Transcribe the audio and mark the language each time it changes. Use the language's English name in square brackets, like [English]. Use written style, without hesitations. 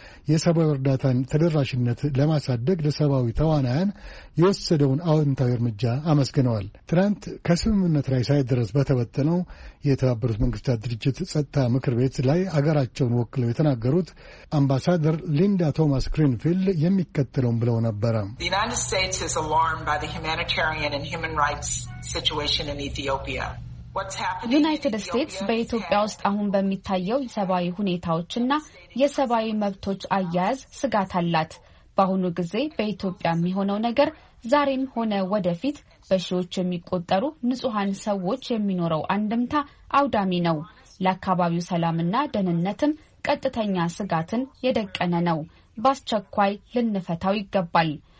[Amharic] የሰብአዊ እርዳታን ተደራሽነት ለማሳደግ ለሰብአዊ ተዋናያን የወሰደውን አዎንታዊ እርምጃ አመስግነዋል። ትናንት ከስምምነት ላይ ሳይደረስ በተበተነው የተባበሩት መንግስታት ድርጅት ጸጥታ ምክር ቤት ላይ አገራቸውን ወክለው የተናገሩት አምባሳደር ሊንዳ ቶማስ ግሪንፊልድ የሚከተለውን ብለው ነበረ። [English] The United States is alarmed by the humanitarian and human rights situation in Ethiopia. [Amharic] ዩናይትድ ስቴትስ በኢትዮጵያ ውስጥ አሁን በሚታየው ሰብአዊ ሁኔታዎችና የሰብአዊ መብቶች አያያዝ ስጋት አላት። በአሁኑ ጊዜ በኢትዮጵያ የሚሆነው ነገር ዛሬም ሆነ ወደፊት በሺዎች የሚቆጠሩ ንጹሃን ሰዎች የሚኖረው አንድምታ አውዳሚ ነው። ለአካባቢው ሰላምና ደህንነትም ቀጥተኛ ስጋትን የደቀነ ነው። በአስቸኳይ ልንፈታው ይገባል።